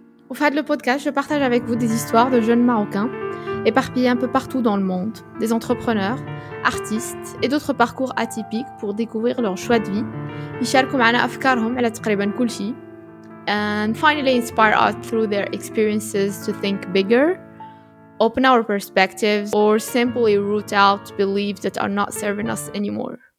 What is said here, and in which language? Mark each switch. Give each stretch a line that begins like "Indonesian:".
French: Au fait, le podcast, je partage avec vous des histoires de jeunes marocains éparpillés un peu partout dans le monde, des entrepreneurs, artistes et d'autres parcours atypiques pour découvrir leur choix de vie.
Arabic: يشاركوا معنا أفكارهم على تقريبا كل شيء.
English: And finally inspire us through their experiences to think bigger, open our perspectives, or simply root out beliefs that are not serving us anymore.